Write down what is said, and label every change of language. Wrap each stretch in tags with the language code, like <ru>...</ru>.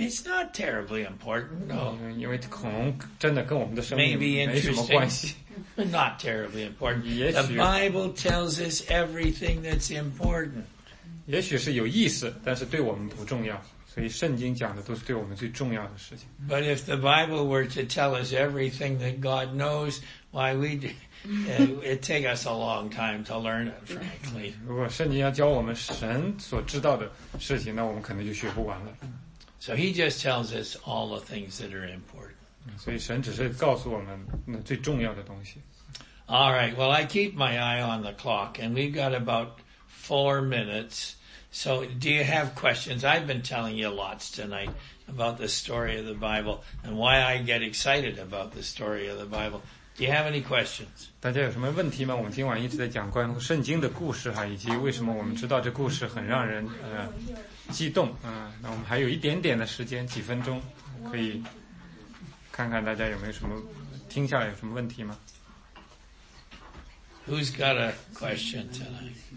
<en>It's not terribly important, no.</en> <zh>因为恐龙真的跟我们的生命没什么关系。</zh> <en>Maybe interesting. Not terribly important. The Bible tells us everything that's important.</en> <zh>也许是有意思，但是对我们不重要。所以圣经讲的都是对我们最重要的事情。</zh> <en>But if the Bible were to tell us everything that God knows, why we'd it'd take us a long time to learn it, frankly.</en> <zh>如果圣经要教我们神所知道的事情，那我们可能就学不完了。</zh> <en>So he just tells us all the things that are important.</en> <zh>所以神只是告诉我们那最重要的东西。</zh> <en>All right, well, I keep my eye on the clock, and we've got about 4 minutes. So do you have questions? I've been telling you lots tonight about the story of the Bible and why I get excited about the story of the Bible. Do you have any questions?</en> <zh>大家有什么问题吗？我们今晚一直在讲关于圣经的故事哈，以及为什么我们知道这故事很让人激动啊。那我们还有一点点的时间，几分钟，可以看看大家有没有什么听下来有什么问题吗</zh> <en>？Who's got a question tonight?</en>